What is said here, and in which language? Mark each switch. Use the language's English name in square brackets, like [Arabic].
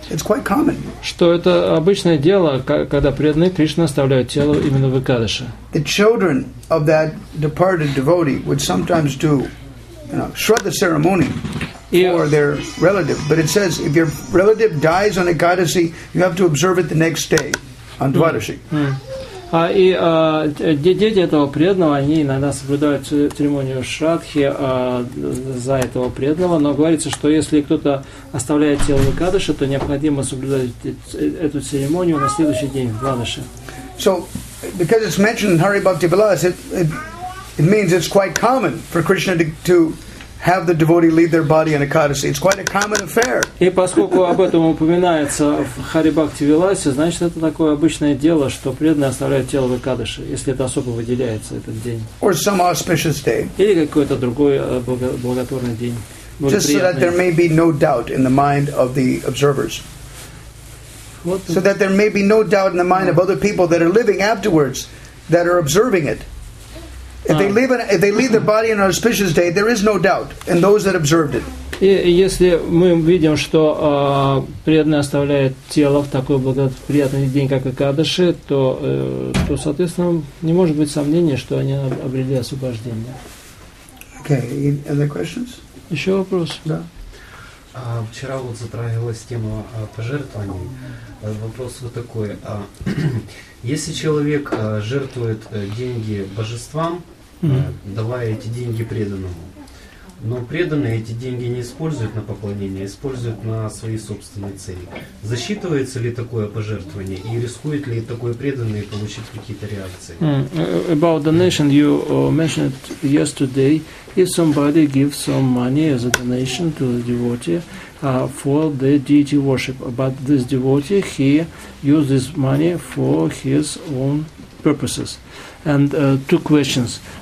[English] It's quite common. [Russian] Что это обычное дело, когда преданные Кришне оставляют тело именно в Экадаши. [English] The children of that departed devotee would sometimes do, you know, shraddha ceremony for their relative. But it says, if your relative dies on Ekadasi, you have to observe it the next day on Dvadashi. [Russian] Дети этого преданного, они иногда соблюдают церемонию шрадхи за этого преданного, но говорится, что если кто-то оставляет тело в Экадаши, то необходимо соблюдать эту церемонию на следующий день в Двадаши. [English] So, because it's mentioned in Hari Bhakti Vilas, it means it's quite common for Krishna to have the devotee leave their body in Ekadasi. It's quite a common affair. [Russian] И поскольку об этом упоминается в Харибхакти Виласе, значит это такое обычное дело, что преданный оставляет тело в Экадаши, если это особо выделяется этот день. [English] Or some auspicious day. [Russian] Или какой-то другой благотворный день. [English] Just so that there may be no doubt in the mind of the observers. So that there may be no doubt in the mind of other people that are living afterwards, that are observing it. If they leave their body on an auspicious day, there is no doubt in those that observed it. [Russian] И если мы видим, что преданный оставляет тело в такой благоприятный день, как Экадаши, то, то, соответственно, не может быть сомнений, что они обрели освобождение. [English] Okay, any other questions? [Russian] Еще вопрос? Да. Вчера вот затрагивалась тема пожертвований. Вопрос вот такой. Если человек жертвует деньги божествам, давая эти деньги преданному, но преданный эти деньги не использует на поклонение, а использует на свои собственные цели, засчитывается ли такое пожертвование и рискует ли такой преданный получить какие-то реакции? [English] About donation, you mentioned yesterday, if somebody gives some money as a donation to the devotee for the deity worship, but this devotee, he uses money for his own purposes. And two questions.